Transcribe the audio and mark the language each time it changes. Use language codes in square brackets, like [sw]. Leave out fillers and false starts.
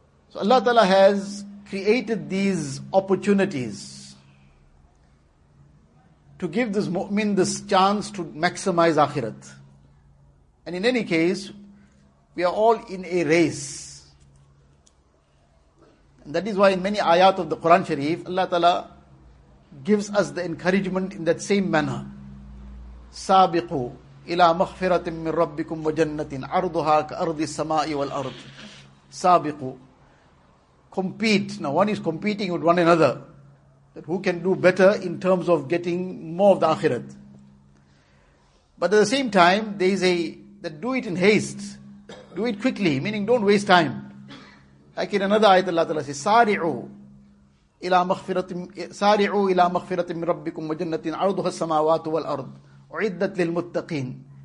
[en] So Allah Ta'ala has created these opportunities to give this mu'min this chance to maximize akhirat. And in any case, we are all in a race. And that is why in many ayat of the Quran Sharif, Allah Ta'ala gives us the encouragement in that same manner. [ar] Sabiqu إلى مغفرة من ربكم وجنة عرضها كأرض السماء والأرض سابقوا compete. [en] Now one is competing with one another that who can do better in terms of getting more of the akhirat. But at the same time there is a that do it in haste, do it quickly, meaning don't waste time. Like in another ayat Allah Ta'ala says [ar] سارعوا إلى مغفرة من ربكم وجنة عرضها السماوات والأرض عدت للمتقين.